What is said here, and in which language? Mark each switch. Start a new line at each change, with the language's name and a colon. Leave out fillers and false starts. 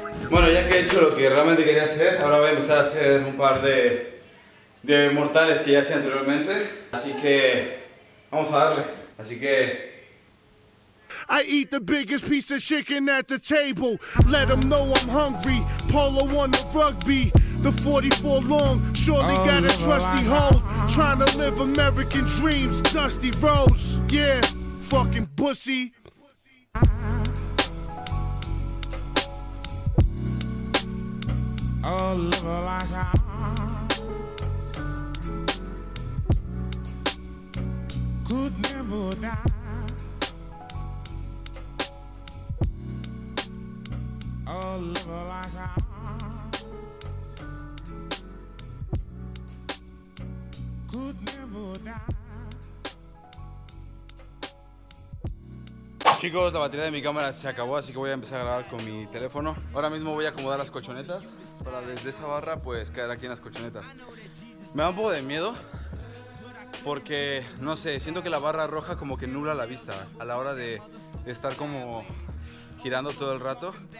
Spanish: Bueno, ya que he hecho lo que realmente quería hacer, ahora voy a empezar a hacer un par de mortales que ya hacía anteriormente. Así que vamos a darle. Así que
English: I eat the biggest piece of chicken at the table. Let them know I'm hungry. Polo on the rugby. The 44 long, surely got a trusty hold. Trying to live American dreams, dusty roads. Yeah, fucking pussy. Oh, love her like ours could never die. Oh, love her like ours could never die.
Spanish: Chicos, la batería de mi cámara se acabó, así que voy a empezar a grabar con mi teléfono. Ahora mismo voy a acomodar las colchonetas para desde esa barra pues caer aquí en las colchonetas. Me da un poco de miedo porque, no sé, siento que la barra roja como que nubla la vista a la hora de estar como girando todo el rato.